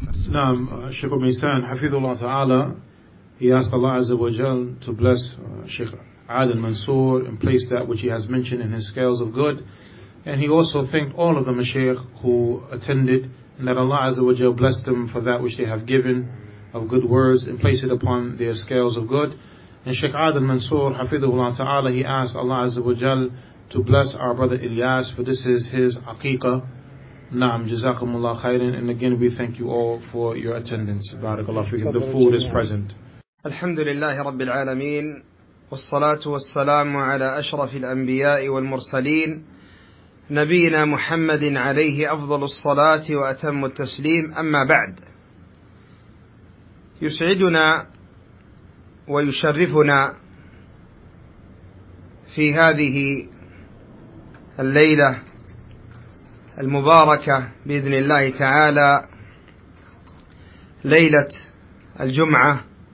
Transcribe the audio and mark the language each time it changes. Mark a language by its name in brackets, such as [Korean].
[Arabic] نعم شيخ ميسان حفظه الله تعالى. [English] He asked Allah Azza wa Jal to bless Sheikh Adil Mansour and place that which he has mentioned in his scales of good. And he also thanked all of the mashaykh who attended, and that Allah Azza wa Jal bless them for that which they have given of good words and place it upon their scales of good. And Sheikh Adil Mansour, Hafidhullah Ta'ala, he asked Allah Azza wa Jal to bless our brother Ilyas, for this is his aqiqah. Naam, Jazakumullah Khairan. And again, we thank you all for your attendance. Barakallahu fiqh. The food is present. [Arabic] الحمد لله رب العالمين، والصلاة والسلام على أشرف الأنبياء والمرسلين، نبينا محمد عليه أفضل الصلاة وأتم التسليم. أما بعد، يسعدنا ويشرفنا في هذه الليلة المباركة بإذن الله تعالى، ليلة الجمعة